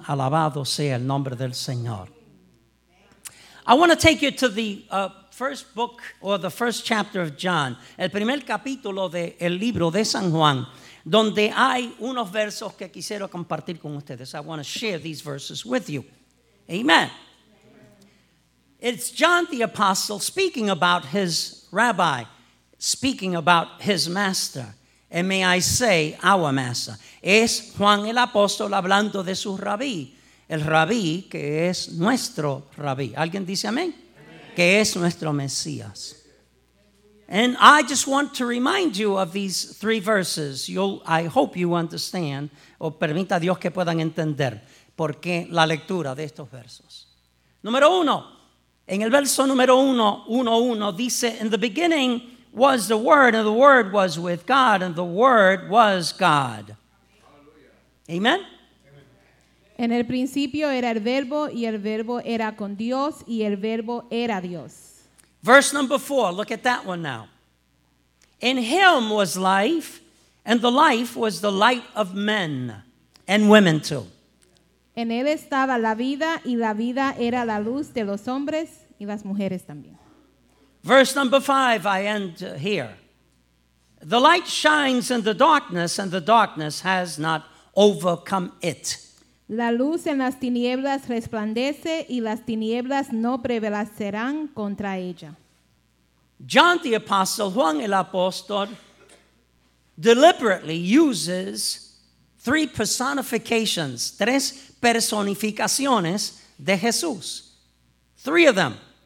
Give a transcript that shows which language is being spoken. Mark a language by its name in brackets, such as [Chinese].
[Spanish] Alabado sea el nombre del Señor. [English] I want to take you to the first book or the first chapter of John, [Spanish] el primer capítulo del libro de San Juan, donde hay unos versos que quisiera compartir con ustedes. [English] I want to share these verses with you. Amen. It's John the Apostle speaking about his rabbi, speaking about his master, and may I say our master. [Spanish] Es Juan el Apóstol hablando de su rabí. El rabí que es nuestro rabí. ¿Alguien dice amén? Que es nuestro Mesías. [English] And I just want to remind you of these three verses. I hope you understand, [Spanish] o permita Dios que puedan entender, por qué la lectura de estos versos. Número uno, en el verso número uno, 1:1, dice, [English] in the beginning was the Word, and the Word was with God, and the Word was God. Hallelujah. Amen? [Spanish] En el principio era el verbo, y el verbo era con Dios, y el verbo era Dios. [English] Verse number 4, look at that one now. In him was life, and the life was the light of men, and women too. [Spanish] En él estaba la vida, y la vida era la luz de los hombres, y las mujeres también. [English] Verse number 5, I end here. The light shines in the darkness, and the darkness has not overcome it. [Spanish] La luz en las tinieblas resplandece y las tinieblas no prevalecerán contra ella. [English] John the Apostle, Juan el Apóstol, deliberately uses three personifications, [Spanish] tres personificaciones de Jesús. [English] Three of them.